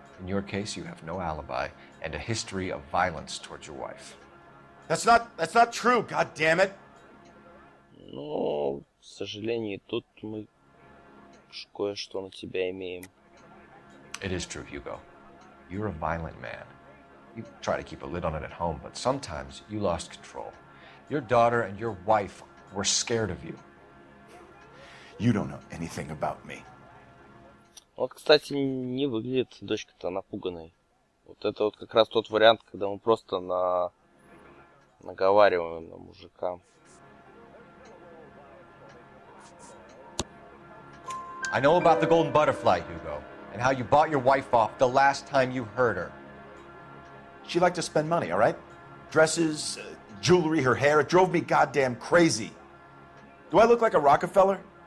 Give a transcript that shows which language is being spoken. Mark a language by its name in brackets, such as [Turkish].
[English] In your case, you have no alibi and a history of violence towards your wife. That's not true, goddammit! [Russian] Ну, к сожалению, тут мы кое-что на тебя имеем. [English] It is true, Hugo. You're a violent man. You try to keep a lid on it at home, but sometimes you lost control. Your daughter and your wife were scared of you. You don't know anything about me. [Russian] Вот, кстати, не выглядит дочка-то напуганной. Вот это вот как раз тот вариант, когда мы просто наговариваем на мужика. [English] I know about the golden butterfly, Hugo, and how you bought your wife off the last time you heard her. She liked to spend money, all right? Dresses, jewelry, her hair, it drove me goddamn crazy. Do I look like a Rockefeller?